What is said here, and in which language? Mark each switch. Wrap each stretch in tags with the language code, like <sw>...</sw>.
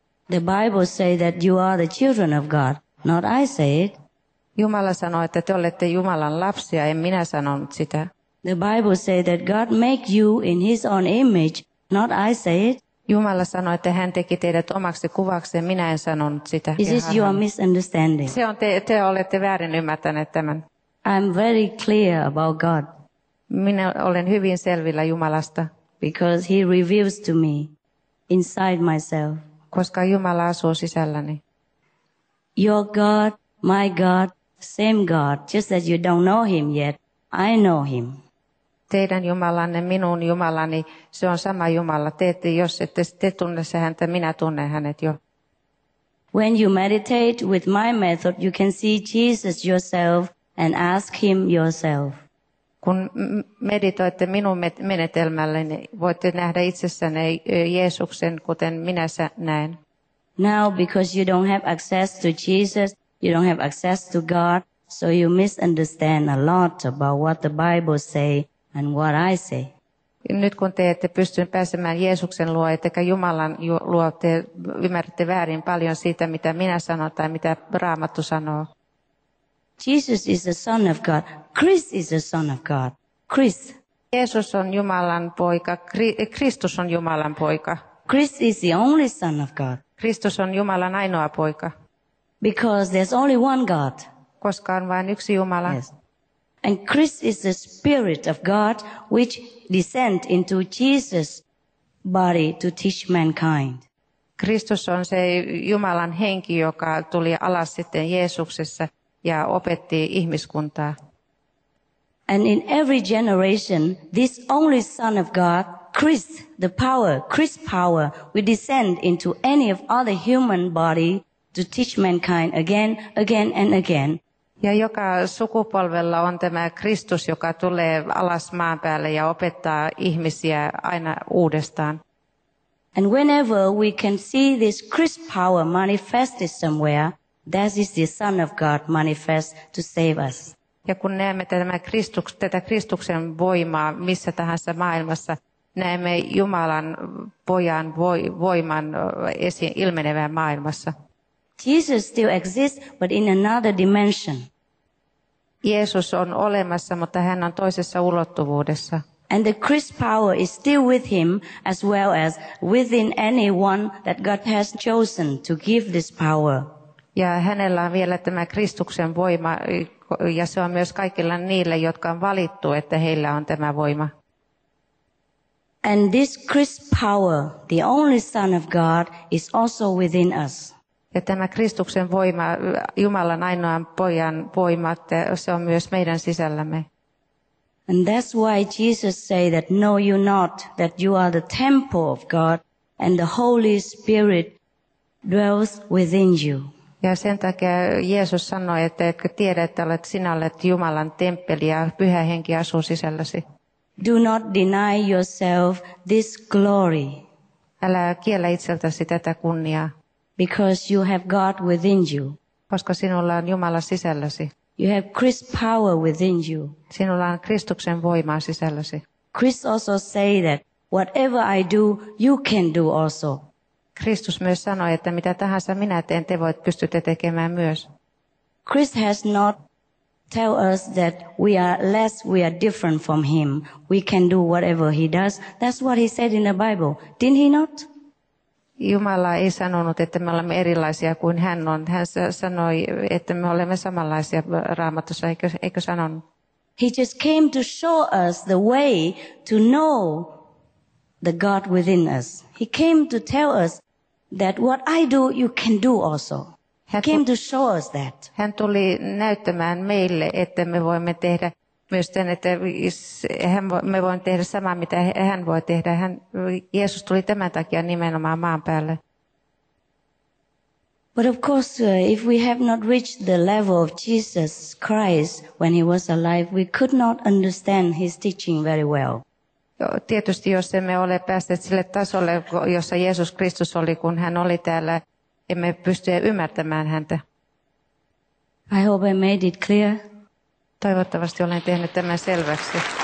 <en>The Bible says that you are the children of God, not I say it.</en> <fi>Jumala sanoo, että te olette Jumalan lapsia, en minä sanonut sitä.</fi> <en>The Bible says that God make you in his own image. Not I say it.</en> <fi>Jumala sanoi, että hän teki teidät omaksi kuvakseen. Minä en sanonut sitä.</fi> <en>Is this your misunderstanding?</en> <fi>Se on te olette väärin ymmärtäneet tämän.</fi> <en>I'm very clear about God.</en> <fi>Minä olen hyvin selvillä Jumalasta.</fi> <en>Because he reveals to me inside myself.</en> <fi>Koska Jumala asuu sisälläni.</fi> <en>Your God, my God, same God, just that you don't know him yet, I know him.</en> <fi>Teidän Jumalanne, minun Jumalani, se on sama Jumala. Jos ette tunne se häntä, minä tunnen hänet jo.</fi> <en>When you meditate with my method, you can see Jesus yourself and ask him yourself.</en> <fi>Kun meditoitte minun menetelmälleni, voitte nähdä itsessänne Jeesuksen, kuten minä näen.</fi> <en>Now, because you don't have access to Jesus, you don't have access to God, so you misunderstand a lot about what the Bible say. And what I say.</en> <fi>Nyt kun te ette pysty pääsemään Jeesuksen luo, ettekä Jumalan luo, te ymmärrätte väärin paljon siitä, mitä minä sanon tai mitä Raamattu sanoo.</fi> <en>Jesus is the son of God. Christ is the son of God. Christ.</en> <fi>Jeesus on Jumalan poika. Kristus on Jumalan poika.</fi> <en>Christ is the only son of God.</en> <fi>Kristus on Jumalan ainoa poika.</fi> <en>Because there's only one God.</en> <fi>Koska on vain yksi Jumala.</fi> <en>Yes. And Christ is the spirit of God which descend into Jesus body to teach mankind.</en> <fi>Kristus on se Jumalan henki, joka tuli alas sitten Jeesuksessa ja opetti ihmiskuntaa.</fi> <en>And in every generation, this only Son of God, Christ, the power, Christ's power, will descend into any of other human body to teach mankind again, again and again.</en> <fi>Ja joka sukupolvella on tämä Kristus, joka tulee alas maan päälle ja opettaa ihmisiä aina uudestaan.</fi> <en>And whenever we can see this Christ power manifested somewhere, that is the Son of God manifest to save us.</en> <fi>Ja kun näemme tätä Kristuksen voimaa missä tahansa maailmassa, näemme Jumalan pojan voiman ilmenevän maailmassa.</fi> <en>Jesus still exists, but in another dimension.</en> <fi>Jeesus on olemassa, mutta hän on toisessa ulottuvuudessa.</fi> <en>And the Christ power is still with him as well as within anyone that God has chosen to give this power.</en> <fi>Ja hänellä on vielä tämä Kristuksen voima ja se on myös kaikilla niille, jotka on valittu, että heillä on tämä voima.</fi> <en>And this Christ power, the only Son of God, is also within us.</en> <fi>Ja tämä Kristuksen voima, Jumalan ainoan pojan voima, se on myös meidän sisällämme.</fi> <en>And that's why Jesus say that know you not that you are the temple of God and the Holy Spirit dwells within you.</en> <fi>Ja sen takia Jeesus sanoi, että etkö tiedä, että olet sinä olet Jumalan temppeli ja Pyhä Henki asuu sisälläsi.</fi> <en>Do not deny yourself this glory.</en> <fi>Älä kiellä itseltäsi tätä kunniaa.</fi> <en>Because you have God within you.</en> <fi>Koska sinulla on Jumala sisälläsi.</fi> <en>You have Christ's power within you.</en> <fi>Sinulla on Kristuksen voimaa sisälläsi.</fi> <en>Christ also say that whatever I do, you can do also.</en> <fi>Kristus myös sanoi, että mitä tahansa minä teen, te voit pystytte tekemään myös.</fi> <en>Christ has not tell us that we are less, we are different from him. We can do whatever he does. That's what he said in the Bible. Didn't he not?</en> <fi>Jumala ei sanonut, että me olemme erilaisia kuin hän on. Hän sanoi, että me olemme samanlaisia Raamatussa, eikö sanonut?</fi> <en>He just came to show us the way to know the God within us. He came to tell us that what I do, you can do also. He came to show us that.</en> <fi>Hän tuli näyttämään meille, että me voimme tehdä myös sen, että me voimme tehdä samaa, mitä hän voi tehdä. Jeesus tuli tämän takia nimenomaan maan päälle.</fi> <en>But of course, if we have not reached the level of Jesus Christ when he was alive, we could not understand his teaching very well.</en> <fi>Tietysti, jos emme ole päässeet sille tasolle, jossa Jeesus Kristus oli, kun hän oli täällä, emme pysty ymmärtämään häntä.</fi> <en>I hope I made it clear.</en> <fi>Toivottavasti olen tehnyt tämän selväksi.</fi>